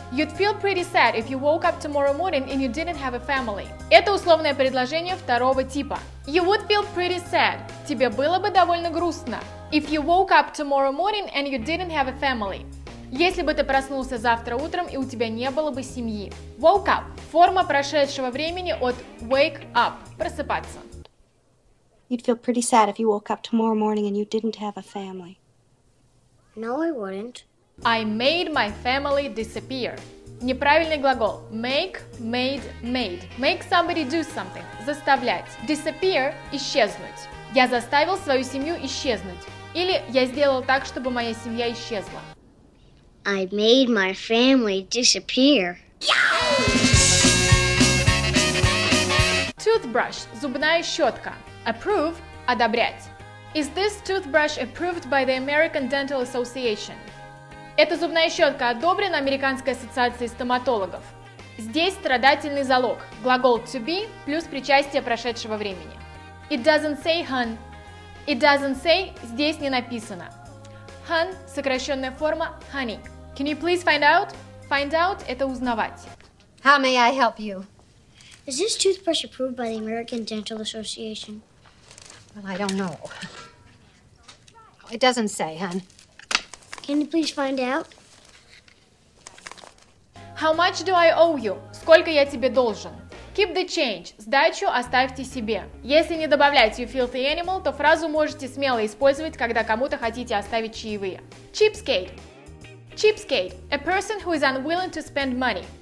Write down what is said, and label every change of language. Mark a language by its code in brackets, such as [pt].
[en] You'd feel pretty sad if you woke up tomorrow morning and you didn't have a family. [ru] Это условное предложение второго типа. [en] You would feel pretty sad. [ru] Тебе было бы довольно грустно. [en] If you woke up tomorrow morning and you didn't have a family. [ru] Если бы ты проснулся завтра утром и у тебя не было бы семьи. [en] Woke up. [ru] Форма прошедшего времени от wake up. Просыпаться. [en] You'd feel pretty sad if you woke up tomorrow morning and you didn't have a family. No, I wouldn't. I made my family disappear. [ru] Неправильный глагол. [en] Make, made, made. Make somebody do something. Заставлять. Disappear – исчезнуть. [ru] Я заставил свою семью исчезнуть. Или я сделал так, чтобы моя семья исчезла. [en] I made my family disappear. Yeah! Toothbrush – зубная щетка. Approve – одобрять. Is this toothbrush approved by the American Dental Association? [ru] Эта зубная щетка одобрена Американской ассоциацией стоматологов. Здесь страдательный залог. Глагол to be плюс причастие прошедшего времени. [en] It doesn't say, hun. It doesn't say [ru] здесь не написано. [en] Hun – сокращенная форма honey. Can you please find out? [ru] Find out – это узнавать. [en] How may I help you? Is this toothbrush approved by the American Dental Association? Well, I don't know. It doesn't say, hun. Can you please find out? How much do I owe you? [ru] Сколько я тебе должен? [en] Keep the change. [ru] Сдачу оставьте себе. Если не добавлять [en] you filthy animal, [ru] то фразу можете смело использовать, когда кому-то хотите оставить чаевые. [en] Cheapskate. Cheapskate. A person who is unwilling to spend money.